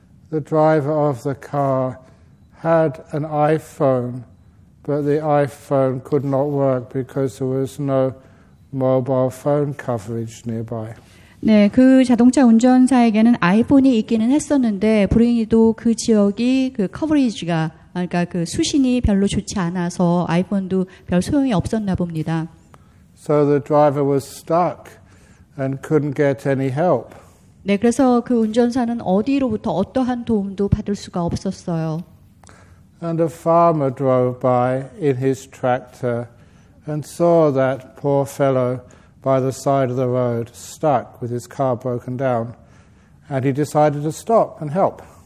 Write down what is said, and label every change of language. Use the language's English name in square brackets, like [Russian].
[English] The driver of the car had an iPhone. But the iPhone could not work because there was no mobile phone coverage nearby. [Korean] 네, 그 자동차 운전사에게는 아이폰이 있기는 했었는데 불행히도 그 지역이 그 커버리지가 그러니까 그 수신이 별로 좋지 않아서 아이폰도 별 소용이 없었나 봅니다. [English] So the driver was stuck and couldn't get any help. [Korean] 네, 그래서 그 운전사는 어디로부터 어떠한 도움도 받을 수가 없었어요. [English] And a farmer drove by in his tractor and saw that poor fellow by the side of the road stuck with his car broken down. And he decided to stop and help.